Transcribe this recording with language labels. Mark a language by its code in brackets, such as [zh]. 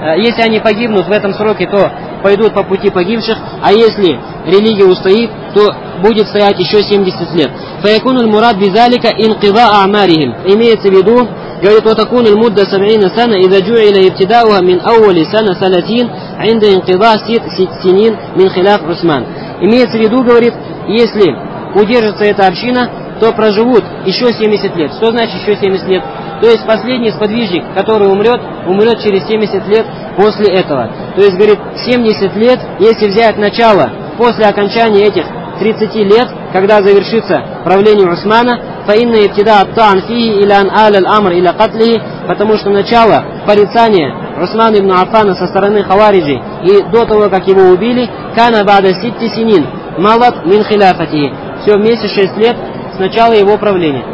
[ru] Если они погибнут в этом сроке, то пойдут по пути погибших, а если религия устоит, то будет стоять еще 70 лет. [ar] «Фаякуну аль-мурад бизалика инкида амарихим». [ru] Имеется в виду, говорит, [ar] «Отакуну аль-мудда сабрина сана, и заджу'и ля ибтидауа мин ауали сана салатин». عند انقضاء ست سنين من خلاف عثمان. [ru] Имеется в виду, говорит, если удержится эта община, то проживут еще 70 лет. Что значит еще 70 лет? То есть последний сподвижник, который умрет, умрет через 70 лет после этого. То есть, говорит, 70 лет, если взять начало после окончания этих 30 лет, когда завершится правление Усмана, [ar] فإن ابتداء الطعن فيه إلى أن آل الأمر إلى قتله, [ru] потому что начало порицания Усмана ибн Аффана со стороны Хавариджи и до того, как его убили, [ar] كان بعد ست سنين مضت من خلافته, [ru] все вместе 6 лет с начала его правления.